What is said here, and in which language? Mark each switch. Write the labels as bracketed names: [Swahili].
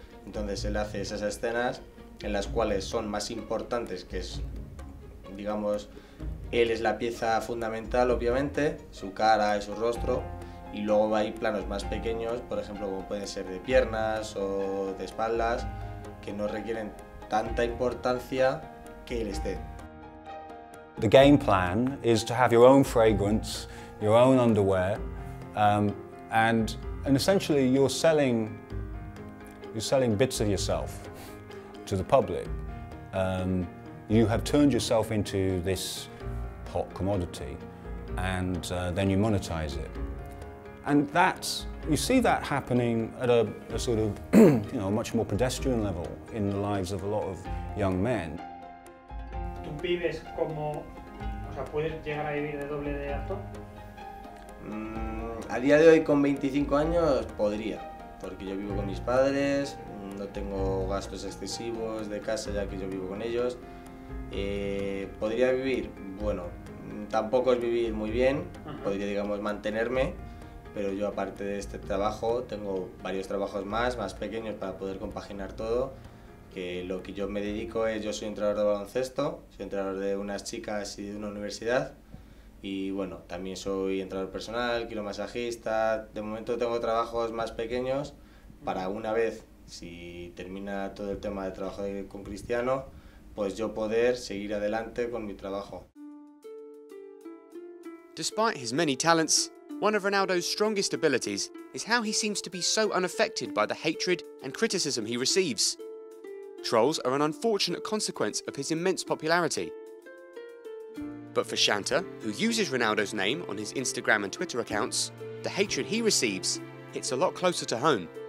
[Spanish] Entonces él hace esas escenas en las cuales son más importantes, que es, digamos, él es la pieza fundamental, obviamente, su cara y su rostro, y luego hay planos más pequeños, por ejemplo, como pueden ser de piernas o de espaldas, que no requieren tanta importancia que él esté. [English] The game plan is to have your own fragrance, your own underwear, and essentially you're selling bits of yourself to the public. You have turned yourself into this hot commodity, and then you monetize it. And that's, you see that happening at a sort of you know, much more pedestrian level in the lives of a lot of young men. [Spanish] ¿Tú vives como, o sea, puedes llegar a vivir de doble de acto? A día de hoy, con 25 años, podría, porque yo vivo con mis padres, no tengo gastos excesivos de casa ya que yo vivo con ellos. ¿Podría vivir? Bueno, tampoco es vivir muy bien, podría, digamos, mantenerme, pero yo, aparte de este trabajo, tengo varios trabajos más pequeños para poder compaginar todo. Que lo que yo me dedico es, yo soy entrenador de baloncesto, soy entrenador de unas chicas y de una universidad, y bueno, también soy entrenador personal, quiromasajista. De momento tengo trabajos más pequeños para una vez, si termina todo el tema de trabajo con Cristiano, pues yo poder seguir adelante con mi trabajo. [English] Despite his many talents, one of Ronaldo's strongest abilities is how he seems to be so unaffected by the hatred and criticism he receives. Trolls are an unfortunate consequence of his immense popularity. But for Shanta, who uses Ronaldo's name on his Instagram and Twitter accounts, the hatred he receives hits a lot closer to home.